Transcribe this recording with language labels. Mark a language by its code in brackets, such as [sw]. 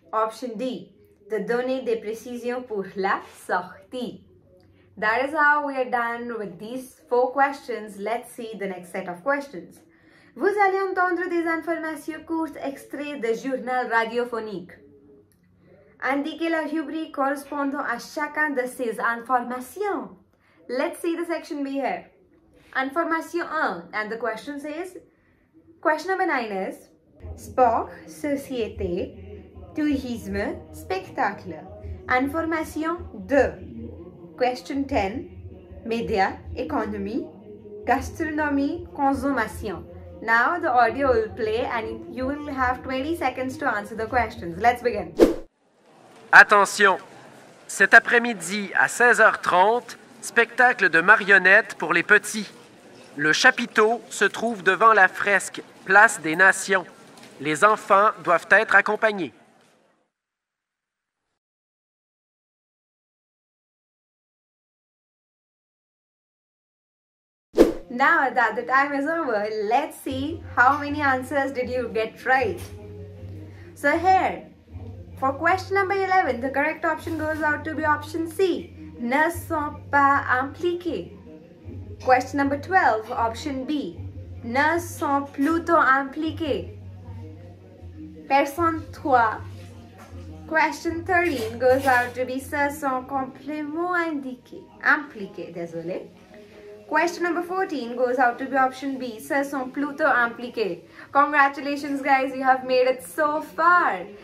[fr] option D, de donner des précisions pour la sortie. [en] That is how we are done with these four questions. Let's see the next set of questions. [fr] Vous allez entendre des informations courtes extraits de journal radiophonique. Indiquez la rubrique correspondant à chacun de ces informations. [en] Let's see the section B here. Information 1, and the question says, question number 9 is, sport, société, tourisme, spectacle. Information 2, question 10, média, économie, gastronomie, consommation. Now the audio will play and you will have 20 seconds to answer the questions. Let's begin. [fr] Attention! Cet après-midi à 16h30, spectacle de marionnettes pour les petits. Le chapiteau se trouve devant la fresque Place des Nations. Les enfants doivent être accompagnés. [en] Now that the time is over, let's see how many answers did you get right. So here, for question number 11, the correct option goes out to be option C, [fr] ne sont pas impliqués. [en] Question number 12, option B, [fr] ne sont plutôt impliqués. Personne 3. [en] Question 13 goes out to be [fr] ce sont complément impliqués. [en] Question number 14 goes out to be option B, [fr] ce sont plutôt impliqués. [en] Congratulations guys, you have made it so far.